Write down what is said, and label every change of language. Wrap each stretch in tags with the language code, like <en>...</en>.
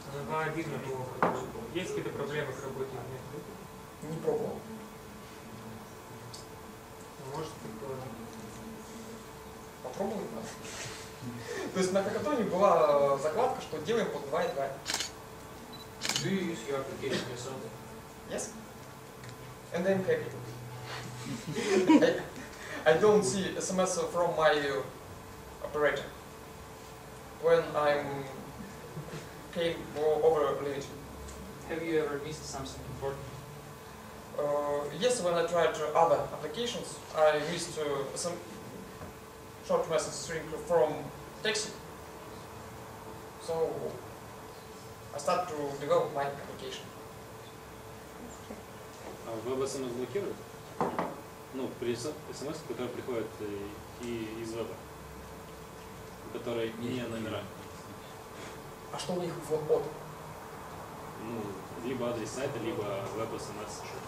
<ru>А, видно было. Есть какие-то проблемы с работой? Нет? Не пробовал. Может, такое? Попробуем, да? То есть на хакатоне была закладка, что делаем под 2.2.</ru> <en>Do you use your application or something? Yes. And I'm happy. I don't see SMS from my operator. When I'm... Have you ever missed something important? Yes, when I tried other applications, I missed some short message string from taxi. So I started to develop my application.</en> <ru>Вы бы SMS блокируете? Ну, при SMS, которые приходят и из веба, которые не номера. А что у них в вот? Ну, либо адрес сайта, либо веб-смс.</ru>